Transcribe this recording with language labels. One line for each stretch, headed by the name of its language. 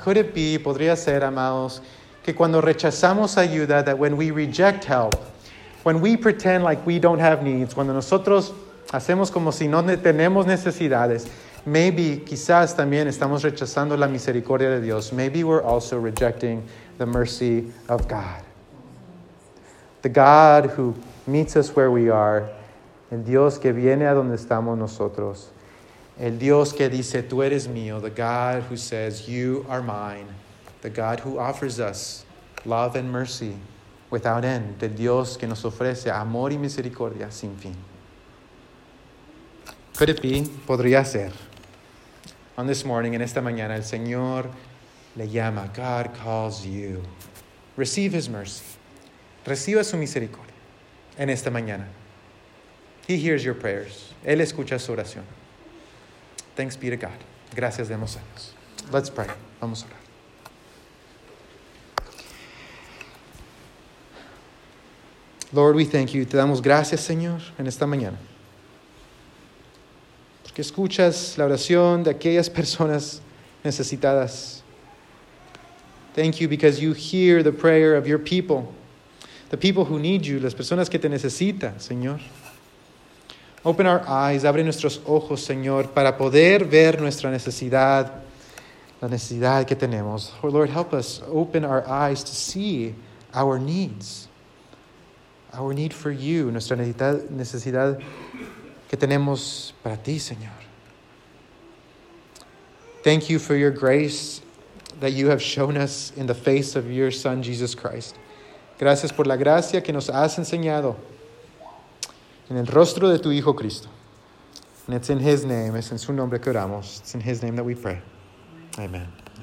English: Could it be,
Spanish: podría ser, amados, que cuando rechazamos ayuda,
English: that when we reject help, when we pretend like we don't have needs,
Spanish: cuando nosotros hacemos como si no tenemos necesidades,
English: maybe,
Spanish: quizás también estamos rechazando la misericordia de Dios.
English: Maybe we're also rejecting the mercy of God. The God who meets us where we are.
Spanish: El Dios que viene a donde estamos nosotros. El Dios que dice, tú eres mío.
English: The God who says, you are mine. The God who offers us love and mercy without end.
Spanish: El Dios que nos ofrece amor y misericordia sin fin.
English: Could it be?
Spanish: Podría ser.
English: On this morning,
Spanish: en esta mañana, el Señor le llama.
English: God calls you. Receive his mercy.
Spanish: Reciba su misericordia en esta mañana.
English: He hears your prayers.
Spanish: Él escucha su oración.
English: Thanks be to God.
Spanish: Gracias demos a Dios.
English: Let's pray.
Spanish: Vamos a orar.
English: Lord, we thank you.
Spanish: Te damos gracias, Señor, en esta mañana. Porque escuchas la oración de aquellas personas necesitadas.
English: Thank you because you hear the prayer of your people. The people who need you,
Spanish: las personas que te necesitan, Señor.
English: Open our eyes,
Spanish: abre nuestros ojos, Señor, para poder ver nuestra necesidad, la necesidad que tenemos.
English: Oh, Lord, help us open our eyes to see our needs. Our need for you,
Spanish: nuestra necesidad que tenemos para ti, Señor.
English: Thank you for your grace that you have shown us in the face of your Son, Jesus Christ.
Spanish: Gracias por la gracia que nos has enseñado en el rostro de tu Hijo Cristo.
English: And it's in his name,
Spanish: es en su nombre que oramos.
English: It's in his name that we pray. Amen.